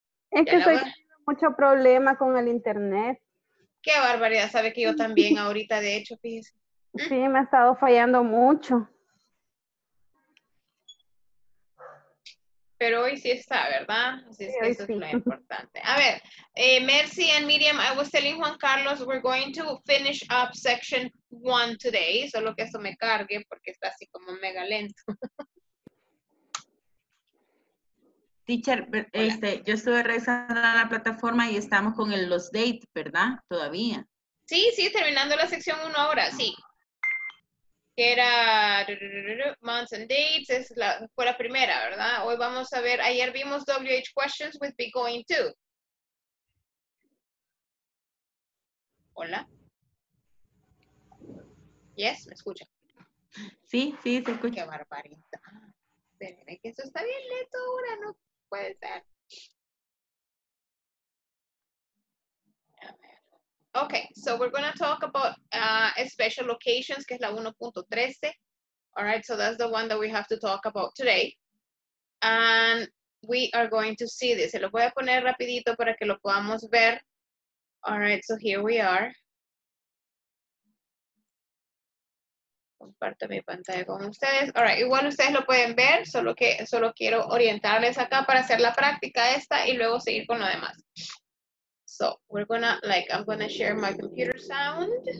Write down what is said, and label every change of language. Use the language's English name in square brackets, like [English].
[Spanish] Es que estoy teniendo mucho problema con el internet. Qué barbaridad, sabe que yo también ahorita, de hecho, fíjese. Sí, me ha estado fallando mucho. Pero hoy sí está, ¿verdad? Así es que eso sí. Es lo importante. A ver, [English] Mercy and Miriam, I was telling Juan Carlos, we're going to finish up section one today. [Spanish] Solo que eso me cargue porque está así como mega lento. Teacher, este, yo estuve revisando la plataforma y estamos con el los dates, ¿verdad? Todavía. Sí, sí, terminando la sección uno ahora, sí. Que era months and dates, es la, fue la primera, ¿verdad? Hoy vamos a ver, ayer vimos WH questions with be going to. Hola. Yes, me escucha. Sí, sí, te escucho. Qué barbarita. Espérenme que eso está bien lento ahora, ¿no? [English] Okay, so we're going to talk about special locations, [Spanish] que es la 1.13. [English] All right, so that's the one that we have to talk about today. And we are going to see this. [Spanish] Se lo voy a poner rapidito para que lo podamos ver. [English] All right, so here we are. [Spanish] Comparto mi pantalla con ustedes. All right, igual ustedes lo pueden ver, solo que solo quiero orientarles acá para hacer la práctica esta y luego seguir con lo demás. [English] So, we're gonna, like, I'm gonna share my computer sound.